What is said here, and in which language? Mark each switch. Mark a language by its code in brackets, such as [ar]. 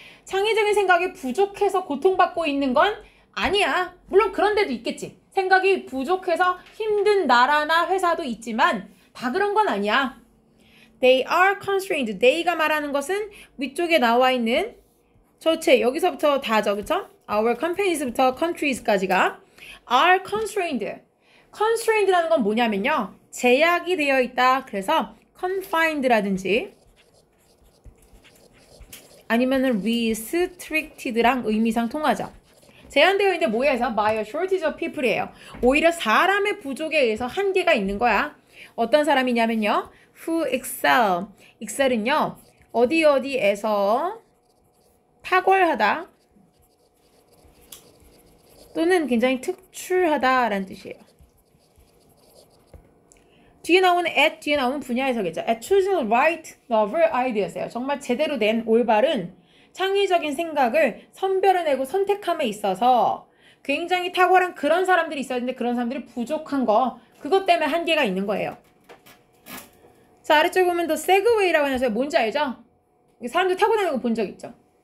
[ko] 창의적인 생각이 부족해서 고통받고 있는 건 아니야. 물론 그런 데도 있겠지. 생각이 부족해서 힘든 나라나 회사도 있지만 다 그런 건 아니야. [en] They are constrained. [ko] They가 말하는 것은 위쪽에 나와 있는 전체 여기서부터 다죠. 그렇죠? [en] Our companies부터 countries까지가 are constrained. [ko] Constrained라는 건 뭐냐면요. 제약이 되어 있다. 그래서 confined라든지 아니면은 restricted랑 의미상 통하죠. 제한되어 있는데 뭐에 의해서? [en] By a shortage of people이에요. [ko] 오히려 사람의 부족에 의해서 한계가 있는 거야. 어떤 사람이냐면요. [en] Who excel. Excel은요. [ko] 어디 어디에서 탁월하다. 또는 굉장히 특출하다라는 뜻이에요. 뒤에 나오는 at, 뒤에 나오는 분야에서겠죠. [en] At choosing right novel ideas예요. [ko] 정말 제대로 된 올바른 창의적인 생각을 선별해내고 선택함에 있어서 굉장히 탁월한 그런 사람들이 있어야 되는데 그런 사람들이 부족한 거, 그것 때문에 한계가 있는 거예요. 자, 아래쪽 보면 더 세그웨이라고 해놨어요. 뭔지 알죠? 사람들 타고 다니는 거 본 적 있죠?